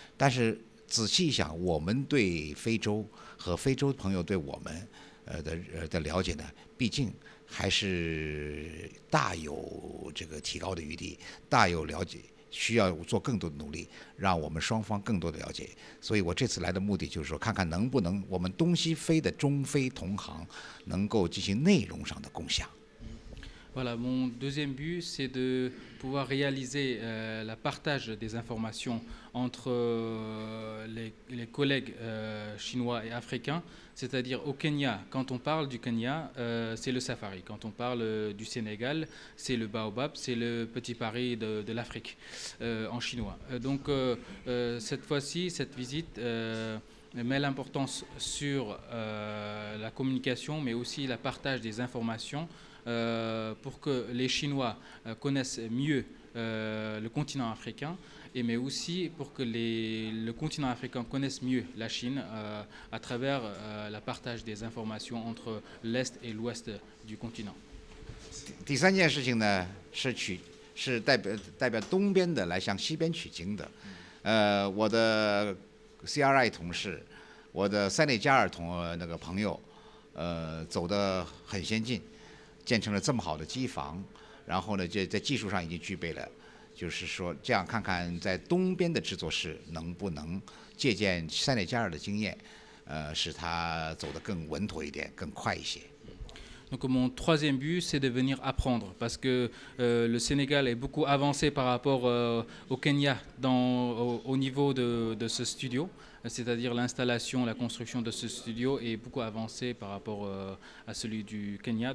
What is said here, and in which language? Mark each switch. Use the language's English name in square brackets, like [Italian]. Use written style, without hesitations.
[Chinese] 但是仔细一想，我们对非洲和非洲朋友对我们的了解呢，毕竟还是大有这个提高的余地，大有了解。需要做更多的努力，让我们双方更多的了解。所以我这次来的目的就是说，看看能不能我们东西非的中非同行能够进行内容上的共享。 [French] Voilà, mon deuxième but c'est de pouvoir réaliser la partage des informations entre les collègues chinois et africains, c'est-à-dire au Kenya. Quand on parle du Kenya, c'est le safari. Quand on parle du Sénégal, c'est le baobab, c'est le petit Paris de l'Afrique en chinois. Donc cette fois-ci, cette visite met l'importance sur la communication, mais aussi la partage des informations pour que les Chinois connaissent mieux le continent africain, mais aussi pour que le continent africain connaisse mieux la Chine à travers le partage des informations entre l'Est et l'Ouest du continent. [Chinese] 第三件事情呢，是代表东边的来向西边取经的。我的 CRI 同事，我的塞内加尔朋友，走得很先进，建成了这么好的机房，然后呢，就在技术上已经具备了。就是说这样看看在东边的制作室能不能借鉴塞内加尔的经验，使他走得更稳妥一点，更快一些。 [French] Donc mon troisième but c'est de venir apprendre parce que le Sénégal est beaucoup avancé par rapport au Kenya au niveau de ce studio, c'est-à-dire l'installation, la construction de ce studio est beaucoup avancée par rapport à celui du Kenya.